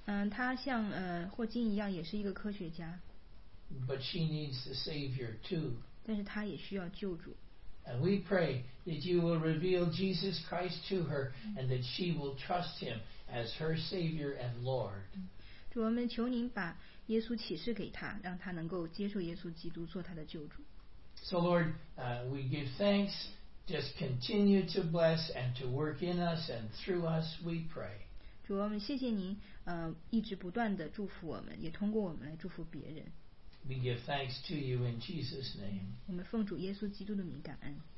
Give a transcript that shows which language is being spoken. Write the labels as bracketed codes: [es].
[zh] 她像霍金一样，也是一个科学家。 [en] But she needs the Savior too. [zh] 但是她也需要救主。 [en] And we pray that you will reveal Jesus Christ to her and that she will trust him as her Savior and Lord. [zh] 主，我们求您把耶稣启示给她，让她能够接受耶稣基督做她的救主。 [en] So Lord, we give thanks. Just continue to bless and to work in us and through us, we pray. [zh] 主，我们谢谢您一直不断地祝福我们，也通过我们来祝福别人。 [en] We give thanks to you in Jesus' name. [zh] 我们奉主耶稣基督的名感恩。